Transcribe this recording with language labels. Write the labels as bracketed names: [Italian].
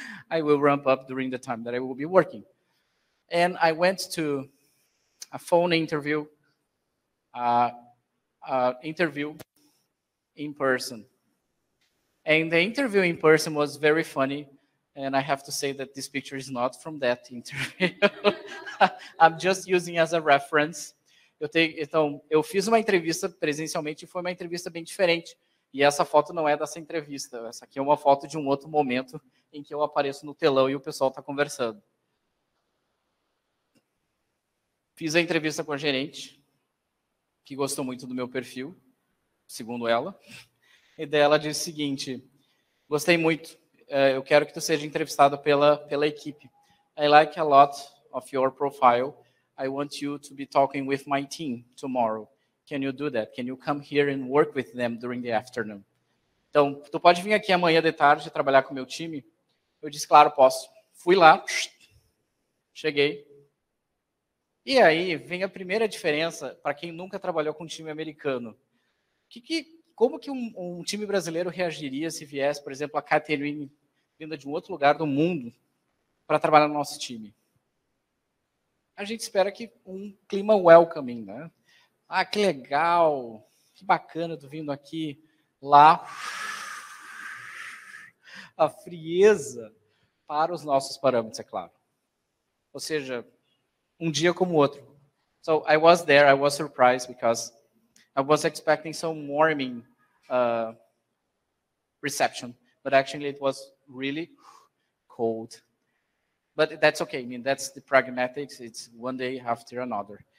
[English] I will ramp up during the time that I will be working. And I went to a phone interview, interview in person. And the interview in person was very funny. And I have to say that this picture is not from that interview. I'm just using as a reference. [Portuguese] Então, eu fiz uma entrevista presencialmente e foi uma entrevista bem diferente. E essa foto não é dessa entrevista. Essa aqui é uma foto de um outro momento em que eu apareço no telão e o pessoal está conversando. Fiz a entrevista com a gerente, que gostou muito do meu perfil, segundo ela. E daí ela disse o seguinte, gostei muito. Eu quero que tu seja entrevistado pela equipe. [English] I like a lot of your profile. I want you to be talking with my team tomorrow. Can you do that? Can you come here and work with them during the afternoon? [Portuguese] Então, tu pode vir aqui amanhã de tarde trabalhar com o meu time? Eu disse, claro, posso. Fui lá. Cheguei. E aí, vem a primeira diferença para quem nunca trabalhou com um time americano. Como que um time brasileiro reagiria se viesse, por exemplo, a Catherine vinda de um outro lugar do mundo para trabalhar no nosso time? A gente espera que um clima welcoming, né? Ah, que legal, que bacana, tu vindo aqui, lá. A frieza para os nossos parâmetros, é claro. Ou seja, um dia como outro. [English] So, I was there, I was surprised because I was expecting some warming reception, but actually it was really cold. But that's okay. I mean, that's the pragmatics. It's one day after another.